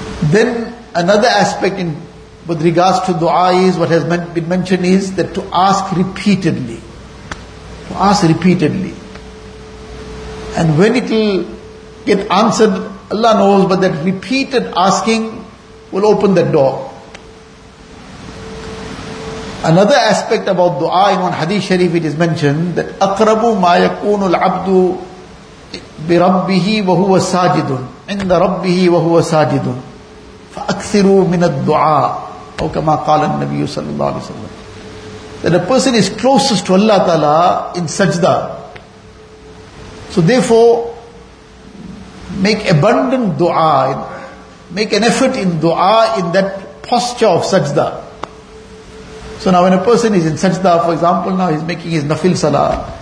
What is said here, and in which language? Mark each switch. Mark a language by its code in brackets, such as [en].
[en] Then another aspect in with regards to dua is, what has been mentioned is, that to ask repeatedly. To ask repeatedly. And when it will get answered, Allah knows, but that repeated asking will open that door. Another aspect about dua, in one hadith sharif it is mentioned that [ar] أَقْرَبُ مَا يَكُونُ الْعَبْدُ بِرَبِّهِ وَهُوَ سَاجِدٌ عِنْدَ رَبِّهِ وَهُوَ سَاجِدٌ فَأَكْثِرُوا مِنَ الدُّعَاءِ أو كَمَا قَالَ النَّبِيُّ صَلَّى اللَّهُ عَلَيْهِ وَسَلَّمَ. [en] That a person is closest to Allah Ta'ala in sajda. So therefore, make abundant dua, make an effort in dua in that posture of sajda. So now when a person is in sajda, for example, now he's making his nafil salah.